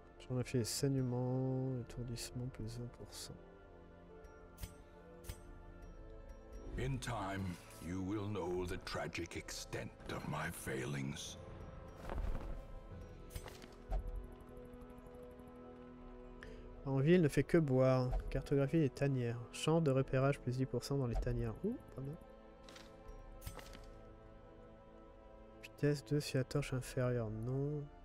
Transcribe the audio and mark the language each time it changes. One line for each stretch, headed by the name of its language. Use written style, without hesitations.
French: On a fait saignement, étourdissement plus 1%.
English: In time, you will know the tragic extent of my failings.
French: En ville, ne fait que boire. Cartographie des tanières. Chance de repérage plus 10% dans les tanières. Ouh, pas mal. Vitesse 2 sur la torche inférieure. Non.